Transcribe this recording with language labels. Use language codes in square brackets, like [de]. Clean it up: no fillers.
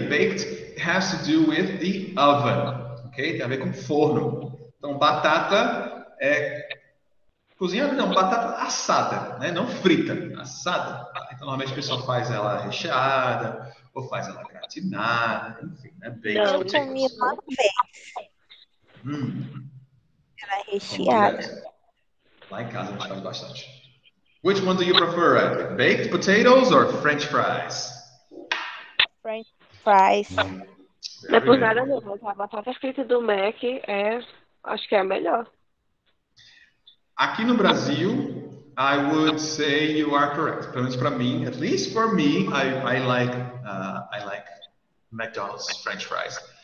[en] Baked has to do with the oven, ok? [pt] Tem a ver com forno. Então, batata é cozinhada, não, batata assada, né? Não frita, assada. Então, normalmente o pessoal faz ela recheada, ou faz ela gratinada, enfim, né? [en] Baked. [pt] Não, eu comi uma vez. Ela é recheada. Então, lá em casa, a gente faz bastante. [en] Which one do you prefer, baked potatoes or French fries? French fries. [pt] Não é por nada não, a batata frita do Mac é, acho que é a melhor. Aqui no Brasil, [en] I would say you are correct. [pt] Pelo menos para mim, [en] at least for me, I like McDonald's French fries.